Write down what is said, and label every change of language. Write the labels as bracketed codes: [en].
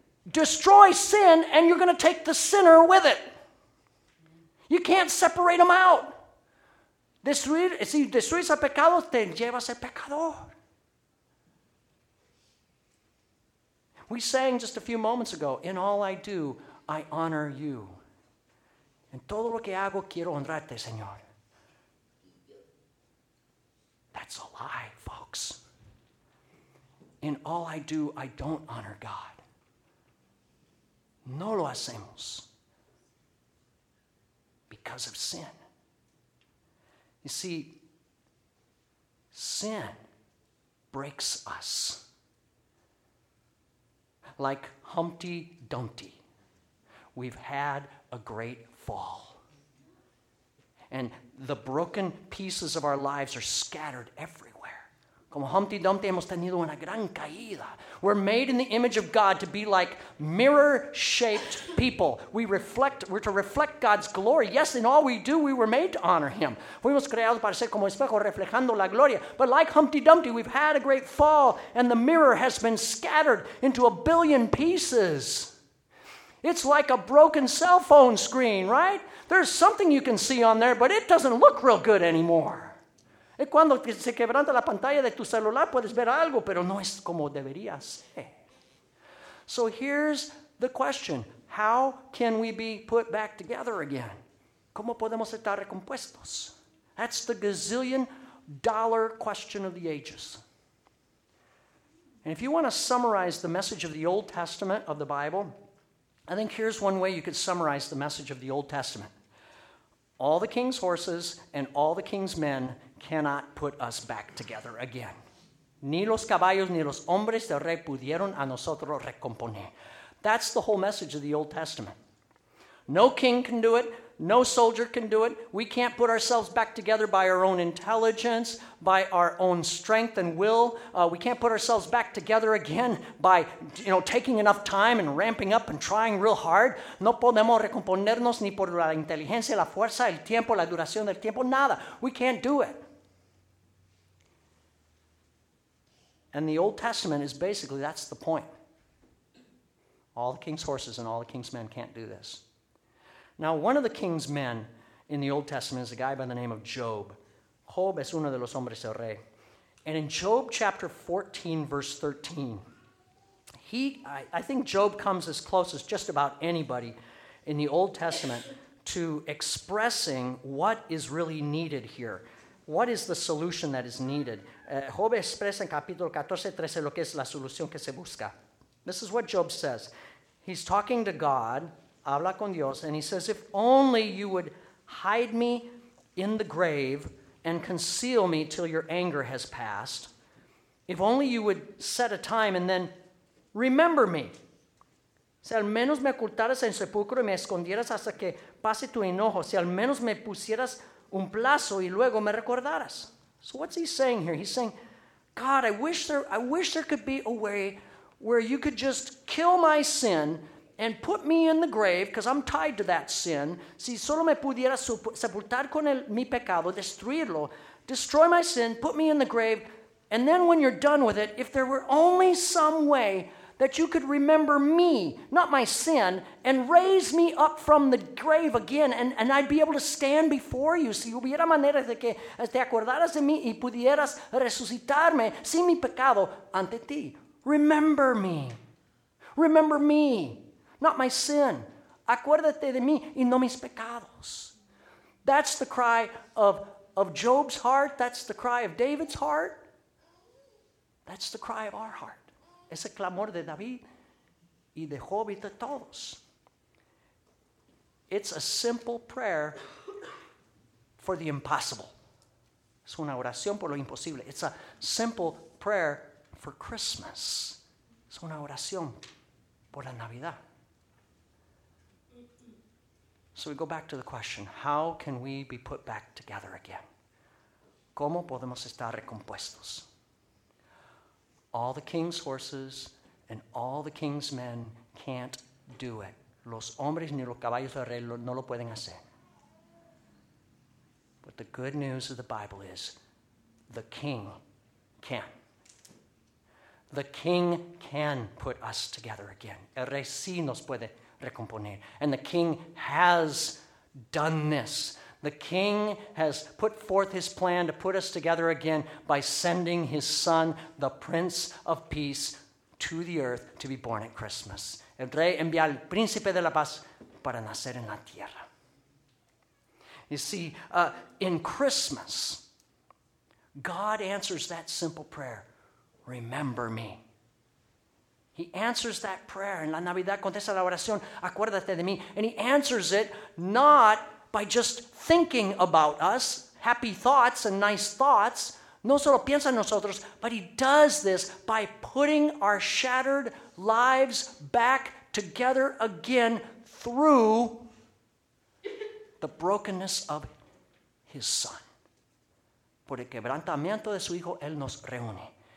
[en] Destroy sin and you're going to take the sinner with it. You can't separate them out. [es] Si destruyes el pecado, te llevas el pecador. [en] We sang just a few moments ago, in all I do, I honor you. [es] En todo lo que hago, quiero honrarte, Señor. [en] That's a lie, folks. In all I do, I don't honor God. [es] No lo hacemos. [en] Because of sin. You see, sin breaks us. Like Humpty Dumpty, we've had a great fall. And the broken pieces of our lives are scattered everywhere. [es] Como Humpty Dumpty, hemos tenido una gran caída. [en] We're made in the image of God to be like mirror-shaped people. We're to reflect God's glory. Yes, in all we do, we were made to honor him. [es] Fuimos creados para ser como espejo reflejando la gloria. [en] But like Humpty Dumpty, we've had a great fall, and the mirror has been scattered into a billion pieces. It's like a broken cell phone screen, right? There's something you can see on there, but it doesn't look real good anymore. [es] Y cuando se quebranta la pantalla de tu celular, puedes ver algo, pero no es como debería ser. [en] So here's the question. How can we be put back together again? [es] ¿Cómo podemos estar recompuestos? [en] That's the gazillion dollar question of the ages. And if you want to summarize the message of the Old Testament of the Bible, I think here's one way you could summarize the message of the Old Testament. All the king's horses and all the king's men cannot put us back together again. [es] Ni los caballos ni los hombres del rey pudieron a nosotros recomponer. [en] That's the whole message of the Old Testament. No king can do it. No soldier can do it. We can't put ourselves back together by our own intelligence, by our own strength and will. We can't put ourselves back together again by, you know, taking enough time and ramping up and trying real hard. [es] No podemos recomponernos ni por la inteligencia, la fuerza, el tiempo, la duración del tiempo, nada. [en] We can't do it. And the Old Testament is basically, that's the point. All the king's horses and all the king's men can't do this. Now, one of the king's men in the Old Testament is a guy by the name of Job. [es] Job es uno de los hombres del rey. [en] And in Job chapter 14, verse 13, I think Job comes as close as just about anybody in the Old Testament to expressing what is really needed here. What is the solution that is needed? [es] Job expresa en capítulo 14, 13 lo que es la solución que se busca. [en] This is what Job says. He's talking to God, [es] habla con Dios, [en] and he says, if only you would hide me in the grave and conceal me till your anger has passed. If only you would set a time and then remember me. [es] Si al menos me ocultaras en sepulcro y me escondieras hasta que pase tu enojo. Si al menos me pusieras un plazo y luego me recordaras. [en] So what's he saying here? He's saying, God, I wish there could be a way where you could just kill my sin and put me in the grave because I'm tied to that sin. [es] Si solo me pudieras sepultar con mi pecado, destruirlo, [en] destroy my sin, put me in the grave, and then when you're done with it, if there were only some way that you could remember me, not my sin, and raise me up from the grave again, and I'd be able to stand before you. [es] Si hubiera manera de que te acordaras de mí y pudieras resucitarme sin mi pecado ante ti. [en] Remember me. Remember me, not my sin. [es] Acuérdate de mí y no mis pecados. [en] That's the cry of Job's heart. That's the cry of David's heart. That's the cry of our heart. [es] Ese clamor de David y de Job y de todos. [en] It's a simple prayer for the impossible. [es] Es una oración por lo imposible. [en] It's a simple prayer for Christmas. [es] Es una oración por la Navidad. [en] So we go back to the question, how can we be put back together again? [es] ¿Cómo podemos estar recompuestos? [en] All the king's horses and all the king's men can't do it. [es] Los hombres ni los caballos del rey no lo pueden hacer. [en] But the good news of the Bible is the king can. The king can put us together again. [es] El rey sí nos puede recomponer. [en] And the king has done this. The king has put forth his plan to put us together again by sending his son, the Prince of Peace, to the earth to be born at Christmas. [es] El rey envía al príncipe de la paz para nacer en la tierra. [en] You see, in Christmas, God answers that simple prayer, remember me. He answers that prayer. [es] En la Navidad contesta la oración, acuérdate de mí. [en] And he answers it not by just thinking about us, happy thoughts and nice thoughts, [es] no solo piensa en nosotros, [en] but he does this by putting our shattered lives back together again through the brokenness of his son. [es] Por el quebrantamiento de su hijo, él nos reúne.